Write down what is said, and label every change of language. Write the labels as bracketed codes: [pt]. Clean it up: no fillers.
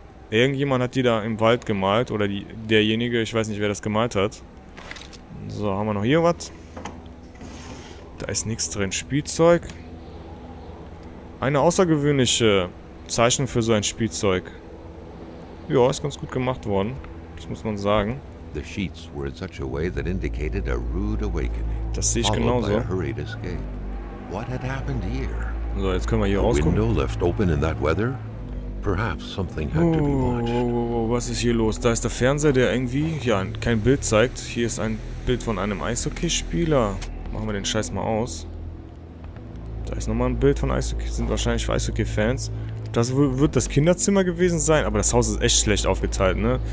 [de] Irgendjemand hat die da im Wald gemalt. Oder derjenige, ich weiß nicht, wer das gemalt hat. So, haben wir noch hier was? Da ist nichts drin. Spielzeug. Eine außergewöhnliche Zeichnung für so ein Spielzeug. Ja, ist ganz gut gemacht worden. Das muss man sagen. [en] The sheets were in such a way that indicated a rude awakening. [de] Das sehe ich genauso. [en] What had happened here? [de] So, jetzt können wir hier rauskommen. [en] Window left open in that weather? Perhaps something had to be watched. [de] Oh, was ist hier los? Da ist der Fernseher, der irgendwie ja, kein Bild zeigt. Hier ist ein Bild von einem Eishockeyspieler. Machen wir den Scheiß mal aus. Da ist nochmal ein Bild von Eishockey. Sind wahrscheinlich Eishockey-Fans. Das wird das Kinderzimmer gewesen sein, aber das Haus ist echt schlecht aufgeteilt, ne?